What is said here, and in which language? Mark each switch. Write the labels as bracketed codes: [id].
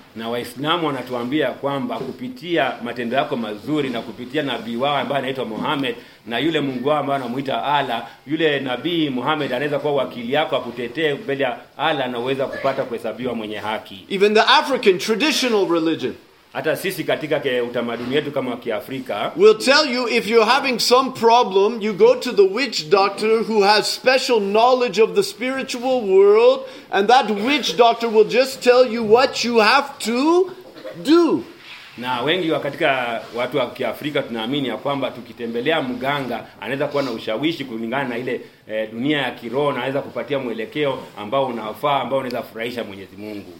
[sw] Na Waislamu wanatuambia kwamba kupitia matendo yako mazuri na kupitia nabii wao ambaye anaitwa Muhammad, na yule Mungu wao ambaye anamuita Allah, yule nabii Muhammad anaweza kuwa wakili yako akutetee mbele ya Allah na uweza kupata kuhesabiwa mwenye haki. [en] Even the African traditional religion, [sw] hata sisi katika utamaduni wetu kama wa Kiafrika, [en] we'll tell you if you're having some problem, you go to the witch doctor who has special knowledge of the spiritual world, and that witch doctor will just tell you what you have to do. [sw] Na wengi wa katika watu wa Kiafrika tunaamini ya kwamba tukitembelea mganga anaweza kuwa na ushawishi kulingana na ile dunia ya kiroho, na anaweza kupatia mwelekeo ambao unafaa, ambao unaweza furahisha Mwenyezi Mungu.